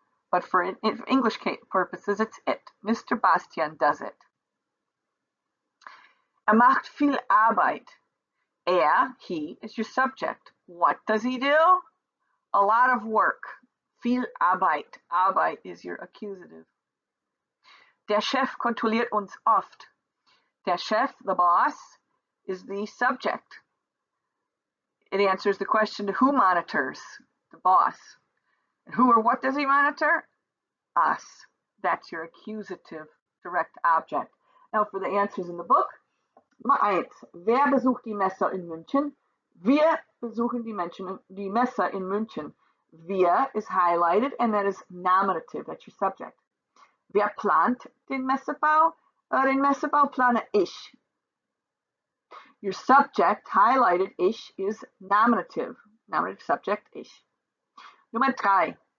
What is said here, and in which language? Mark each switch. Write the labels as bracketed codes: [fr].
[en] But for English purposes, it's it. Mr. Bastian does it. [de] Er macht viel Arbeit. [en] He is your subject. What does he do? A lot of work. [de] Viel Arbeit. [en] Arbeit is your accusative. [de] Der Chef kontrolliert uns oft. Der Chef, [en] the boss, is the subject. It answers the question to who monitors the boss. And who or what does he monitor? Us. That's your accusative direct object. Now for the answers in the book. [de] Nummer 1. Wer besucht die Messe in München? Wir besuchen die Messe in München. [en] Wir is highlighted and that is nominative, that's your subject. [de] Wer plant den Messebau? Den Messebau plane ich. [en] Your subject, highlighted ich, is nominative. Nominative subject, ich. [de] Nummer 3.